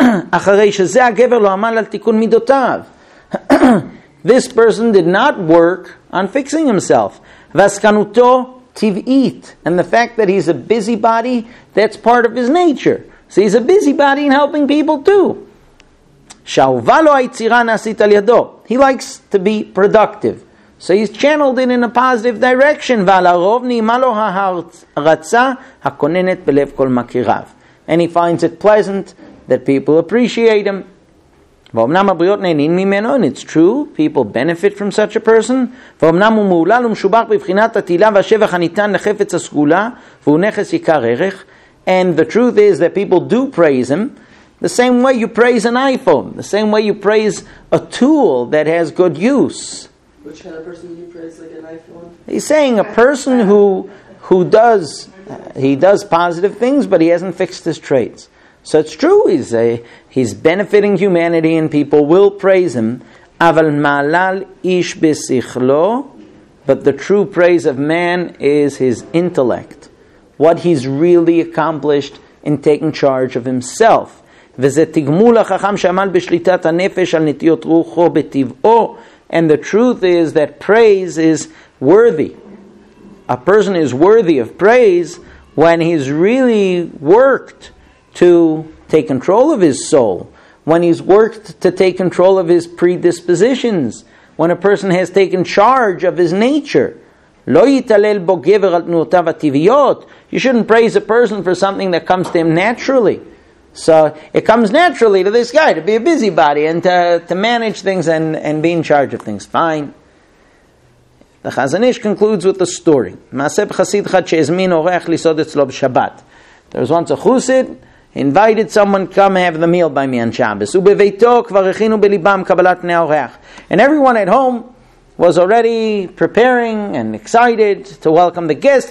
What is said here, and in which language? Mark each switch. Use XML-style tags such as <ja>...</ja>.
<he>אחרי שזה הגבר לא עמל על תיקון מידותיו.</he> <en>This person did not work on fixing himself.</en> <he>והסקנותו טבעית.</he> <en>And the fact that he's a busybody, that's part of his nature. So he's a busybody in helping people too.</en> <he>שאהובה לו היצירה נעשית על ידו.</he> <en>He likes to be productive. So he's channeled it in a positive direction.</en> <he>ועל הרוב נעימה לו ההרצה הכוננת בלב כל מכיריו.</he> <en>And he finds it pleasant that people appreciate him.</en> <he>ואומנם הבריות נהנים ממנו,</he> <en>and it's true, people benefit from such a person.</en> <he>ואומנם הוא מעולל ומשובח בבחינת התהילה והשבח הניתן לחפץ הסגולה, והוא נכס עיקר ערך.</he> <en>And the truth is that people do praise him, the same way you praise an iPhone, the same way you praise a tool that has good use. Which kind of person do you praise, like an iPhone? He's saying a person who does positive things, but he hasn't fixed his traits. So it's true, he's benefiting humanity and people will praise him.</en> <he>אבל מעלל איש בשכלו,</he> <en>but the true praise of man is his intellect. What he's really accomplished in taking charge of himself.</en> <he>וזה תגמול החכם שעמל בשליטת הנפש על נטיות רוחו בטבעו.</he> <en>And the truth is that praise is worthy. A person is worthy of praise when he's really worked to take control of his soul, when he's worked to take control of his predispositions, when a person has taken charge of his nature. לא יתעלל בו גבר על תנועותיו הטבעיות. You shouldn't praise a person for something that comes to him naturally. So it comes naturally to this guy to be a busybody and to manage things and be in charge of things. Fine. The Chazon Ish concludes with the story.</en> <he>מעשה בחסיד אחד שהזמין אורח לסעוד אצלו בשבת.</he> <en>There was once a chusid, invited someone to come have the meal by me on Shabbos.</en> <he>ובביתו כבר הכינו בליבם קבלת פני האורח.</he> <en>And everyone at home was already preparing and excited to welcome the guest.</en>